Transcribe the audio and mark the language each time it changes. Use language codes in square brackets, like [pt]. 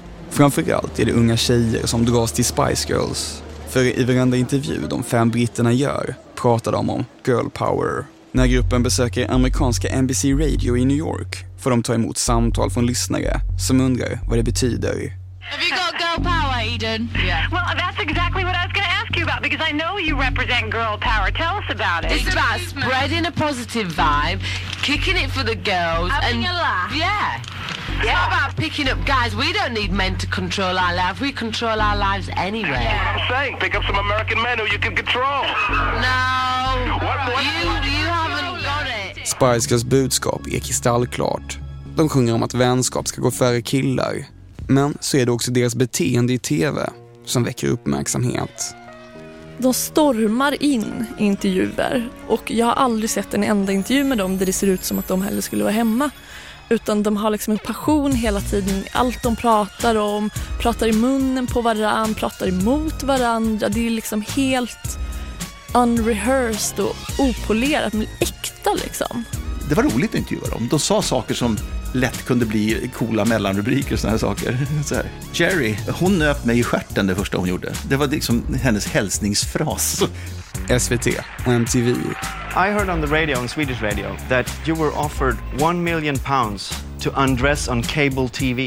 [sv] Framförallt är det unga tjejer som dras till Spice Girls. För i varenda intervju de fem britterna gör pratar de om girl power. När gruppen besöker amerikanska NBC Radio i New York får de ta emot samtal från lyssnare som undrar vad det betyder. [en] Have you got girl power, Eden? Yeah. Well, that's exactly what I was going to ask you about because I know you represent girl power. Tell us about it. It's about spreading a positive vibe, kicking it for the girls. Having and a laugh. Yeah. It's not about picking up guys. We don't need men to control our lives. We control our lives anyway. That's what I'm saying. Pick up some American men who you can control. No. What? You haven't got it. [sv] Spice Girls budskap är kristallklart. De sjunger om att vänskap ska gå före killar. Men så är det också deras beteende i tv som väcker uppmärksamhet. De stormar in i intervjuer. Och jag har aldrig sett en enda intervju med dem där det ser ut som att de heller skulle vara hemma. Utan de har liksom en passion hela tiden. Allt de pratar om, pratar i munnen på varandra, pratar emot varandra. Det är liksom helt unrehearsed och opolerat, men äkta liksom. Det var roligt att intervjua dem. De sa saker som lätt kunde bli coola mellanrubriker och såna här saker. Så här. Jerry, hon nöp mig i stjärten det första hon gjorde. Det var liksom hennes hälsningsfras. SVT och MTV. [en] I heard on the radio, on Swedish radio, that you were offered £1 million to undress on cable TV.